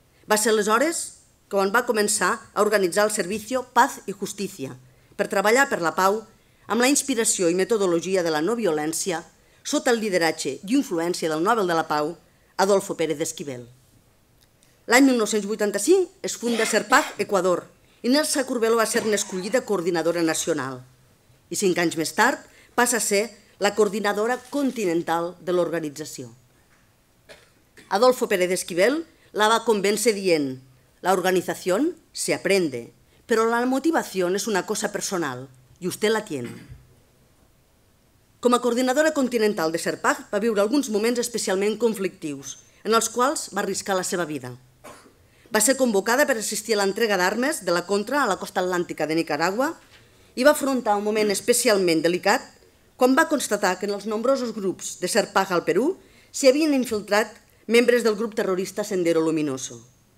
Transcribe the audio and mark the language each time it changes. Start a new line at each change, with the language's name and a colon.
Catalan: Va ser aleshores quan va començar a organitzar el servei Paz i Justícia per treballar per la pau amb la inspiració i metodologia de la no violència sota el lideratge i influència del Nobel de la Pau, Adolfo Pérez Esquivel. L'any 1985 es funda Serpac Ecuador i Nelsa Curbelo va ser escollida coordinadora nacional i 5 anys més tard passa a ser la coordinadora continental de l'organització.
Spanish: Adolfo Pérez Esquivel
Catalan: la va convèncer dient
Spanish: «La organización se aprende, pero la motivación es una cosa personal». I usted la tiene.
Catalan: Com a coordinadora continental de Serpac, va viure alguns moments especialment conflictius, en els quals va arriscar la seva vida. Va ser convocada per assistir a l'entrega d'armes de la Contra a la costa atlàntica de Nicaragua i va afrontar un moment especialment delicat quan va constatar que en els nombrosos grups de Serpac al Perú s'hi havien infiltrat membres del grup terrorista Sendero Luminoso.